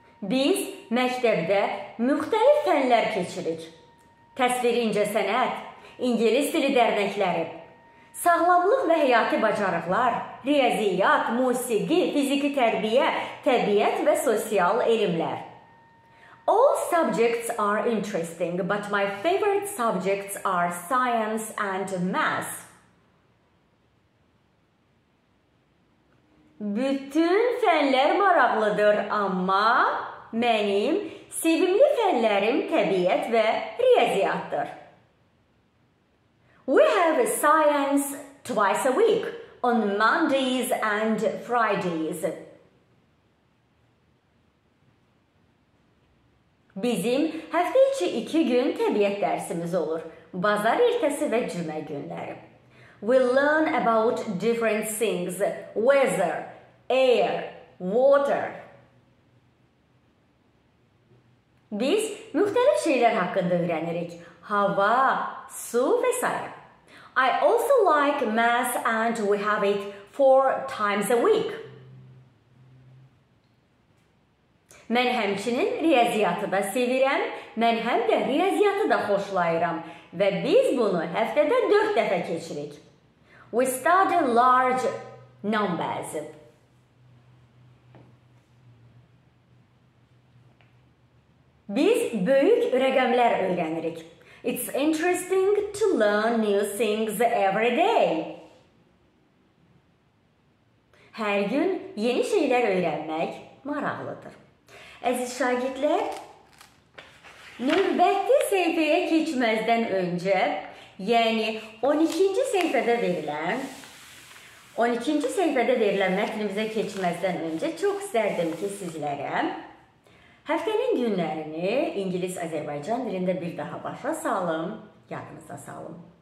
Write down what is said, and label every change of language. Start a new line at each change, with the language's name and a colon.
Azerbaijani: Biz məktəbdə müxtəlif fənlər keçirik. Təsviri incəsənət, ingilis dili dərnəkləri, sağlamlıq və həyati bacarıqlar, riyaziyyat, musiqi, fiziki tərbiyə, təbiət və sosial elmlər.
English: All subjects are interesting, but my favorite subjects are science and math.
Azerbaijani: Bütün fənlər maraqlıdır, amma mənim sevimli fənlərim təbiət və riyaziyyatdır.
English: We have science twice a week, on Mondays and Fridays.
Azerbaijani: Bizim həftə içi iki gün təbiət dərsimiz olur, bazar ertəsi və cümə günləri.
English: We learn about different things, weather, air, water.
Azerbaijani: Biz müxtəlif şeylər haqqında öyrənirik, hava, su və s.
English: I also like math and we have it 4 times a week.
Azerbaijani: Mən həmçinin riyaziyyatı da sevirəm, mən həm də riyaziyyatı da xoşlayıram və biz bunu həftədə 4 dəfə keçirik.
English: We study large numbers.
Azerbaijani: Biz böyük rəqəmlər öyrənirik.
English: It's interesting to learn new things every day.
Azerbaijani: Hər gün yeni şeylər öyrənmək maraqlıdır. Əziz şagirdlər, növbəti səhifəyə keçməzdən öncə, yəni 12-ci səhifədə verilən, 12-ci səhifədə verilən mətnimizə keçməzdən öncə çox istərdim ki, sizlərə həftənin günlərini İngilis-Azərbaycan dilində bir daha başa salım, yadınıza salım.